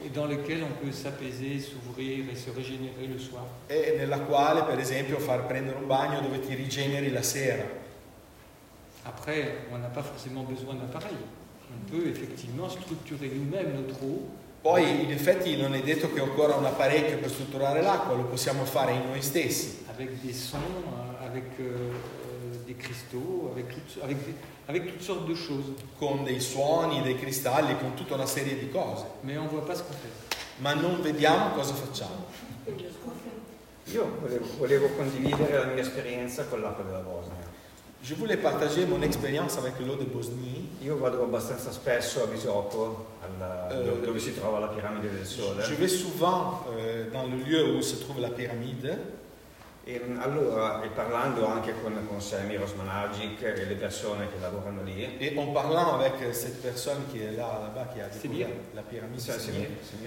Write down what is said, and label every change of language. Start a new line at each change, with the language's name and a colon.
French: E dans lequel on peut s'apaiser, s'ouvrir et se régénérer le soir.
Italian: E nella quale, per esempio, far prendere un bagno dove ti rigeneri la sera.
French: Après, on n'a pas forcément besoin d'appareil. On peut effectivement strutturer nous-mêmes notre eau.
Italian: Poi, in effetti, non è detto che occorra un apparecchio per strutturare l'acqua, lo possiamo fare in noi stessi.
French: Avec des sons, avec des cristaux, avec toutes sortes de choses.
Italian: Con dei suoni, dei cristalli, con tutta una serie di cose.
French: Mais on voit pas ce qu'on fait.
Italian: Ma non vediamo cosa facciamo. Io volevo condividere la mia esperienza con l'acqua della Bosnia.
French: Je voulais partager mon expérience avec l'eau de Bosnie.
Italian: Io vado abbastanza spesso a Visoko, dove si trova la piramide del sole.
French: Je vais souvent dans le lieu où se trouve la pyramide.
Italian: E allora, e parlando anche con Sammy Rosmanagic e le persone che lavorano lì.
French: E en parlant avec cette personne qui est là là-bas qui a découvert la pyramide.